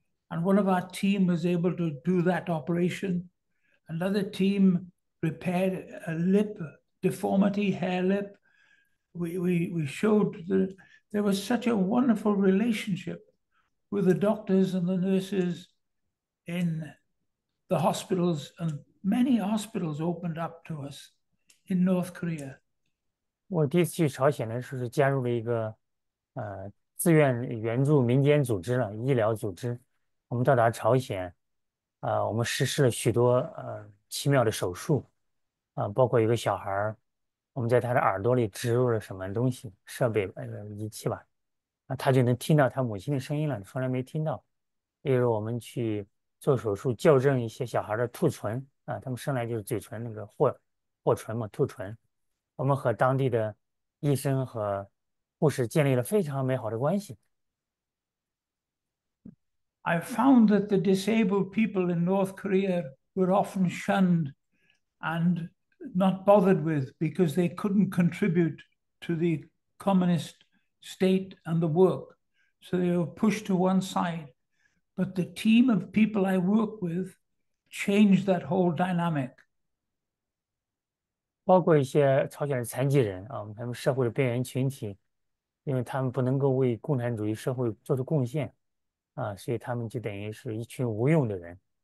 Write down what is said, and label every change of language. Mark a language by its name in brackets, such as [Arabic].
[English] And one of our team was able to do that operation. Another team repaired a lip deformity, hair lip. We showed that there was such a wonderful relationship with the doctors and the nurses in the hospitals and many hospitals opened up to us in North Korea. [Chinese] 我第一次去朝鲜呢，是加入了一个自愿援助民间组织了医疗组织。我们到达朝鲜，我们实施了许多奇妙的手术，包括一个小孩，我们在他的耳朵里植入了什么东西设备仪器吧，他就能听到他母亲的声音了，从来没听到。例如我们去做手术，校正一些小孩的兔唇。他们生来就是嘴唇那个唇嘛，兔唇。我们和当地的医生和护士建立了非常美好的关系。 [English] I found that the disabled people in North Korea were often shunned and not bothered with because they couldn't contribute to the communist state and the work. So they were pushed to one side. But the team of people I work with change that whole dynamic. [Chinese] 包括一些朝鲜的残疾人啊，他们社会的边缘群体，因为他们不能够为共产主义社会做出贡献啊，所以他们就等于是一群无用的人。